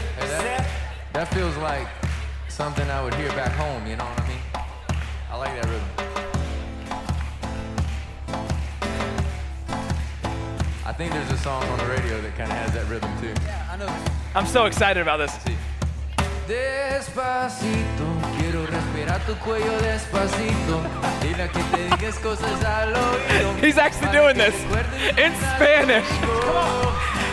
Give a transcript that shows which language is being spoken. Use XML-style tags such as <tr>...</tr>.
<en>Hey, that feels like something I would hear back home, you know what I mean? I like that rhythm. I think there's a song on the radio that kind of has that rhythm too. Yeah, I know. I'm so excited about this.</en> <es>Despacito, quiero respirar tu cuello despacito. Dile que te digas cosas al oído.</es> <en>He's actually doing this in Spanish.</en>